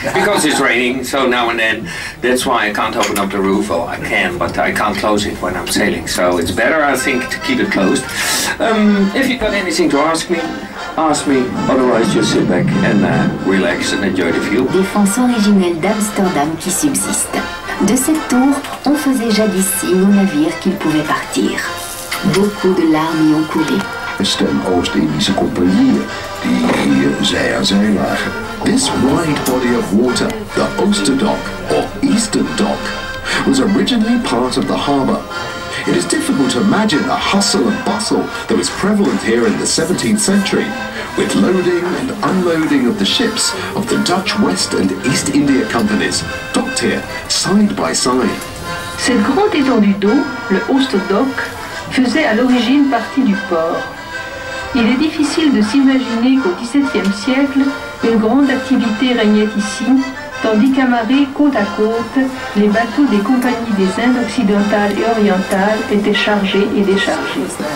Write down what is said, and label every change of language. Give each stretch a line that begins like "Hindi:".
English: Because it's raining, so now and then, that's why I can't open up the roof. Oh, I can, but I can't close it when I'm sailing. So it's better, I think, to keep it closed. If you've got anything to ask me, ask me. Otherwise, just sit back and relax and enjoy the view.
French: Défenseur originel d'Amsterdam qui subsiste. De cette tour, on faisait jadis signe au navire qu'il pouvait partir. Beaucoup de larmes y ont coulé.
Dutch: Stem Oost-Indische Compagnie, die hier zij aan zij lagen.
English: This wide body of water, the Oosterdok, or Easterdok, was originally part of the harbour. It is difficult to imagine the hustle and bustle that was prevalent here in the 17th century, with loading and unloading of the ships of the Dutch West and East India Companies, docked here, side by side.
French: Cette grande étendue d'eau, le Oosterdok, faisait à l'origine partie du port. Il est difficile de s'imaginer qu'au XVIIe siècle, une grande activité régnait ici, tandis qu'amarrés côte à côte, les bateaux des compagnies des Indes occidentales et orientales étaient chargés et déchargés.